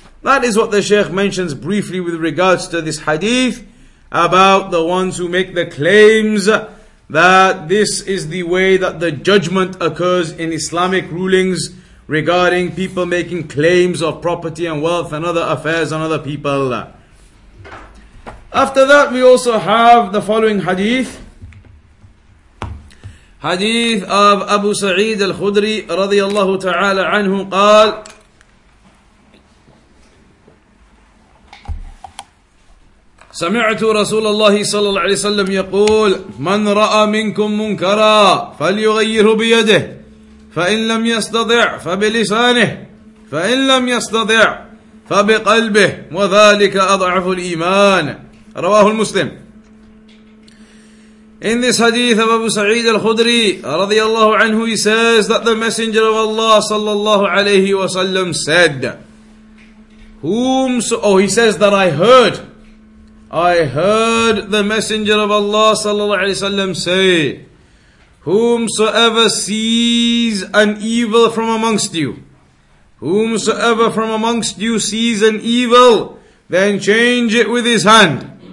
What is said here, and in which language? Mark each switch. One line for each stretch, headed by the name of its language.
English: That is what the Shaykh mentions briefly with regards to this hadith about the ones who make the claims that this is the way that the judgment occurs in Islamic rulings regarding people making claims of property and wealth and other affairs on other people. After that, we also have the following hadith.
Arabic: Hadith of Abu Sa'id al-Khudri radiyallahu ta'ala anhu, qal, سمعت رسول الله صلى الله عليه وسلم يقول من رأى منكم منكرا فليغيره بيده فإن لم يستطع فبلسانه فإن لم يستطع فبقلبه وذلك أضعف الإيمان رواه المسلم.
English: In this hadith of Abu Sa'id al-Khudri رضي الله عنه, he says that the messenger of Allah صلى الله عليه وسلم said, I heard the Messenger of Allah sallallahu alaihi wasallam say, whomsoever sees an evil from amongst you, whomsoever from amongst you sees an evil, then change it with his hand.